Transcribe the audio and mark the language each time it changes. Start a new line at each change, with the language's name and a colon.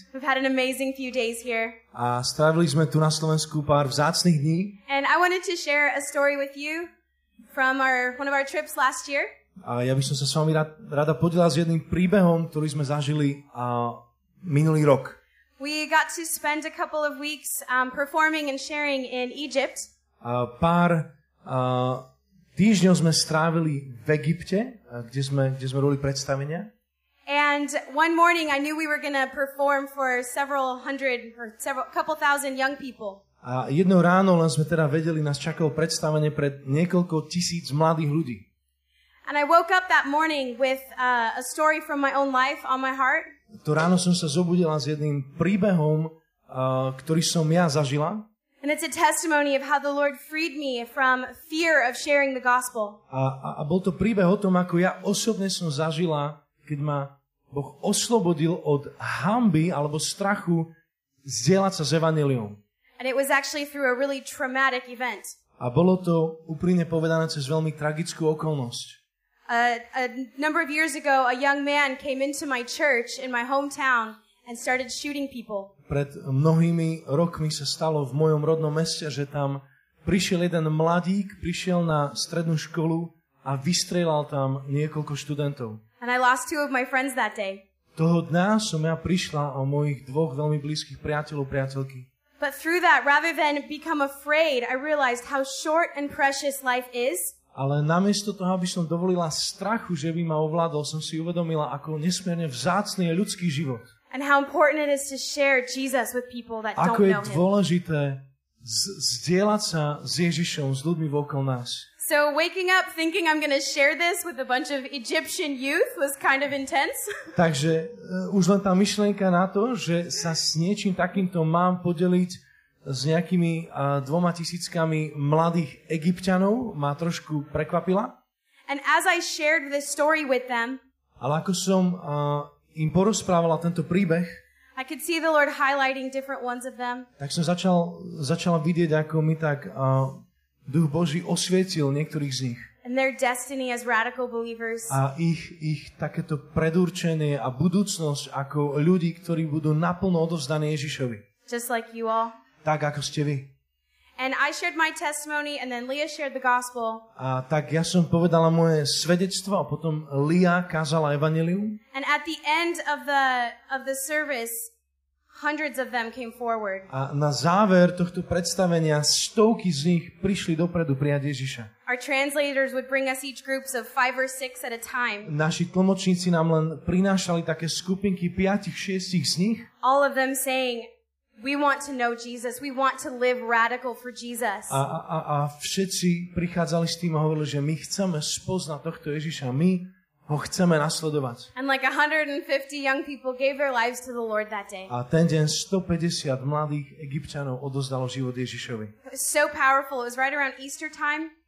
English: We've had an amazing few days here.
Slovak: A strávili sme tu na Slovensku pár vzácnych dní.
English: And I wanted to share a story with you from one of our trips last year.
Slovak: A ja by som sa s vami rada podelila s jedným príbehom, ktorý sme zažili minulý rok.
English: We got to spend a couple of weeks performing and sharing in Egypt.
Slovak: Pár týždňov sme strávili v Egypte, kde sme robili predstavenia.
English: And one morning I knew we were going to perform for several couple thousand young people.
Slovak: A jedno ráno len sme teda vedeli, nás čakalo predstavenie pred niekoľko tisíc mladých ľudí.
English: And I woke up that morning with a story from my own life on my heart.
Slovak: To ráno som sa zobudila s jedným príbehom, ktorý som ja zažila.
English: And it's a testimony of how the Lord freed me from fear of sharing the gospel.
Slovak: A bol to príbeh o tom, ako ja osobne som zažila, keď ma Boh oslobodil od hanby alebo strachu zdieľať sa s evanjeliom.
English: And it was actually through a really traumatic event.
Slovak: A bolo to úprimne povedané cez veľmi tragickú okolnosť.
English: A number of years ago, a young man came into my church in my hometown and started shooting people.
Slovak: Pred mnohými rokmi sa stalo v mojom rodnom meste, že tam prišiel jeden mladík, prišiel na strednú školu a vystrieľal tam niekoľko študentov.
English: And I lost two of my friends that day.
Slovak: Toho dňa som ja prišla o mojich dvoch veľmi blízkych priateľov, priateľky.
English: But through that, rather than become afraid, I realized how short and precious life is.
Slovak: Ale namiesto toho, aby som dovolila strachu, že by ma ovládol, som si uvedomila, ako nesmierne vzácny je ľudský život.
English: And how important it is to share Jesus with people that don't know him.
Slovak: Ako je dôležité zdieľať sa s Ježišom, s ľuďmi okolo nás.
English: So waking up thinking I'm going to share this with a bunch of Egyptian youth was kind of intense.
Slovak: Takže už len tá myšlienka na to, že sa s niečím takýmto mám podeliť s nejakými dvoma tisíckami mladých Egypťanov, ma trošku prekvapila.
English: And as I shared this story with them,
Slovak: ale ako som im porozprávala tento príbeh,
English: I could see the Lord highlighting different ones of them.
Slovak: Tak som začal vidieť, ako mi tak Duch Boží osvietil niektorých z nich.
English: And their destiny as radical believers.
Slovak: A ich takéto predurčenie a budúcnosť ako ľudí, ktorí budú naplno odovzdaní Ježišovi.
English: Just like you all.
Slovak: Tak ako ste vy.
English: And I shared my testimony and then Leah shared the gospel.
Slovak: A tak ja som povedala moje svedectvo a potom Leah kázala evanjelium.
English: And at the end of the service, hundreds of them came forward.
Slovak: A na záver tohto predstavenia stovky z nich prišli dopredu prijať Ježiša.
English: Our translators would bring us each groups of 5 or 6 at a time.
Slovak: Naši tlmočníci nám len prinášali také skupinky 5-6 z nich.
English: All of them saying, we want to know Jesus. We want to live radical for Jesus.
Slovak: A všetci prichádzali s tým a hovorili, že my chceme spoznať tohto Ježiša. My ho chceme nasledovať.
English: And like 150 young people gave their lives to the Lord that day.
Slovak: A ten deň 150 mladých Egypťanov odozdalo život Ježišovi.
English: It was so powerful. It was right around Easter time.